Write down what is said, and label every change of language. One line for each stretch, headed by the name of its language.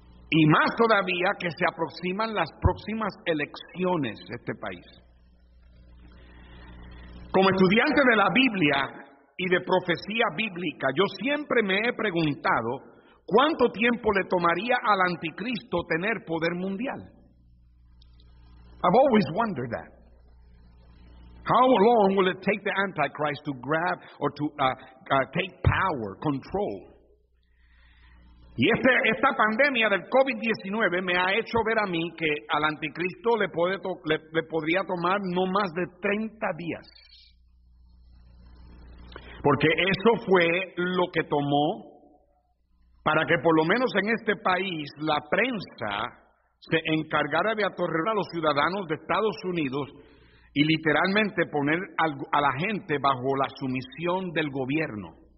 Spanish: Y más todavía que se aproximan las próximas elecciones de este país. Como estudiante de la Biblia y de profecía bíblica, yo siempre me he preguntado, ¿cuánto tiempo le tomaría al anticristo tener poder mundial?
English: I've always wondered that. How long will it take the Antichrist to grab or to take power, control?
Spanish: Y esta pandemia del COVID-19 me ha hecho ver a mí que al anticristo le podría tomar no más de 30 días. Porque eso fue lo que tomó para que por lo menos en este país la prensa se encargara de atorrear a los ciudadanos de Estados Unidos y literalmente poner a la gente bajo la sumisión del gobierno.